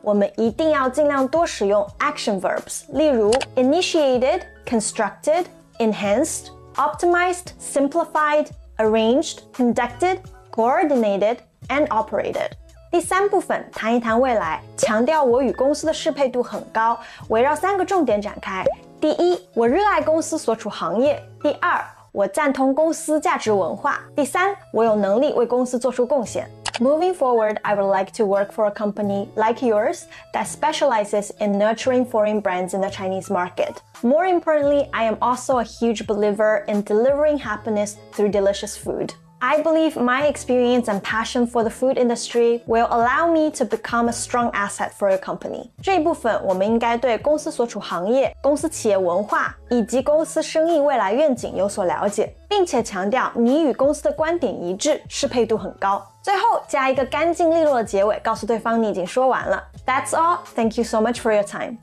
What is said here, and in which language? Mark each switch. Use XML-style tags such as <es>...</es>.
<zh>我们一定要尽量多使用 action verbs. 例如</zh> <en>initiated, constructed, enhanced,Optimized, simplified, arranged, conducted, coordinated, and operated.</en> <zh>第三部分，谈一谈未来，强调我与公司的适配度很高，围绕三个重点展开。第一，我热爱公司所处行业。第二，我赞同公司价值文化。第三，我有能力为公司做出贡献。</zh> <en>Moving forward, I would like to work for a company like yours that specializes in nurturing foreign brands in the Chinese market. More importantly, I am also a huge believer in delivering happiness through delicious food. I believe my experience and passion for the food industry will allow me to become a strong asset for your company.</en> <zh>这一部分我们应该对公司所处行业、公司企业文化以及公司生意未来愿景有所了解，并且强调你与公司的观点一致，适配度很高。最后加一个干净利落的结尾，告诉对方你已经说完了。</zh> <en>That's all. Thank you so much for your time.</en>